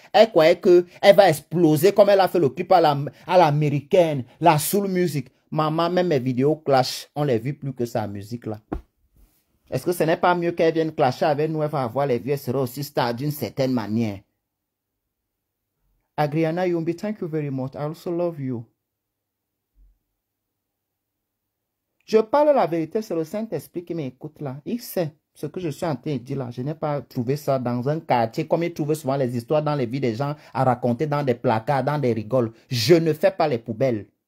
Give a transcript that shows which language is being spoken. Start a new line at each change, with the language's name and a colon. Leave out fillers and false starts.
French: Elle croyait qu'elle va exploser comme elle a fait le clip à l'américaine, la soul music. Maman, même mes vidéos clash, on les vit plus que sa musique-là. Est-ce que ce n'est pas mieux qu'elle vienne clasher avec nous? Elle va avoir les vieux, elle sera aussi star d'une certaine manière.
English: Adriana Yumbi, thank you very much. I also love you.
French: Je parle la vérité, c'est le Saint-Esprit qui m'écoute là. Il sait ce que je suis en train de dire là. Je n'ai pas trouvé ça dans un quartier, comme il trouve souvent les histoires dans les vies des gens à raconter dans des placards, dans des rigoles. Je ne fais pas les poubelles.